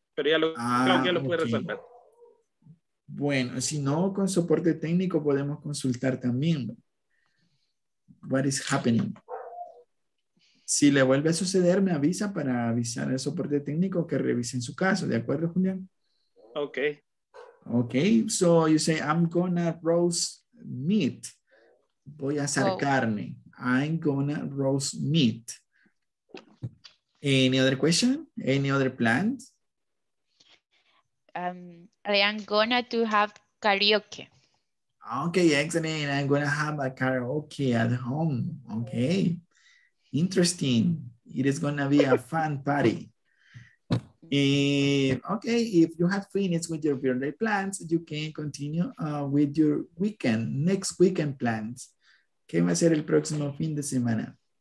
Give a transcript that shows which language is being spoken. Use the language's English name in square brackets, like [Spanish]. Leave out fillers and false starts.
[Spanish] Pero ya lo pude resolver. Bueno, si no, con soporte técnico podemos consultar también. [English] What is happening? [Spanish] Si le vuelve a suceder, me avisa para avisar al soporte técnico que revise en su caso. ¿De acuerdo, Julián? [English] Okay. Okay, so you say, I'm gonna roast meat. [Spanish] Voy a asar carne. [English] I'm gonna roast meat. Any other question? Any other plans? I am gonna to have karaoke. Okay, excellent. I'm gonna have a karaoke at home. Okay, interesting. It is gonna be a fun party. Okay, if you have finished with your birthday plans, you can continue with your next weekend plans. [Spanish] ¿Qué va a ser el próximo fin de semana?